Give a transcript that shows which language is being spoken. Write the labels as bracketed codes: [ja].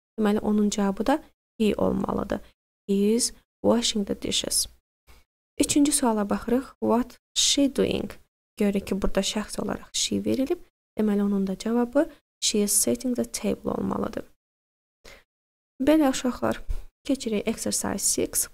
[az] Deməli, onun cavabı da he olmalıdır. [en] He is washing the dishes. [az] Üçüncü suala baxırıq. [en] What she doing? [az] Görürük ki, burada şəxs olaraq she verilib. Deməli, onun da cavabı [en] she is setting the table [az] olmalıdır. Belə uşaqlar, keçirik exercise 6.